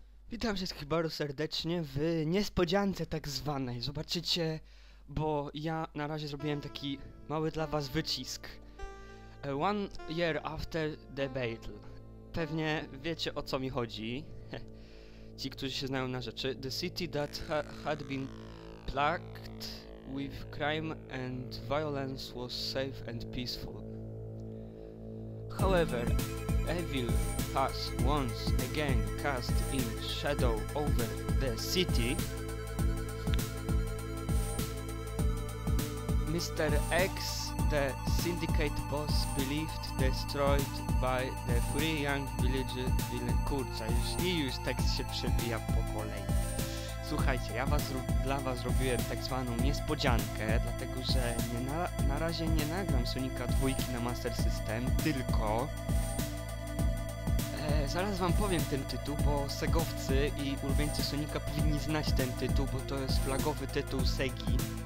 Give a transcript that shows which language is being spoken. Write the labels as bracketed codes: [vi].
[pl] Witam wszystkich bardzo serdecznie w niespodziance tak zwanej. Zobaczycie, bo ja na razie zrobiłem taki mały dla was wycisk. [en] One year after the battle. [pl] Pewnie wiecie, o co mi chodzi. Ci, którzy się znają na rzeczy. [en] The city that had been plagued with crime and violence was safe and peaceful. However, evil has once again cast its shadow over the city. Mr. X, the syndicate boss, believed destroyed by the three young villagers. [pl] Kurczę, już i już tekst się przebija po kolei. Słuchajcie, ja was, dla was zrobiłem tak zwaną niespodziankę, dlatego że na razie nie nagram Sonica 2 na Master System, tylko... zaraz wam powiem ten tytuł, bo Segowcy i ulubieńcy Sonica powinni znać ten tytuł, bo to jest flagowy tytuł Segi.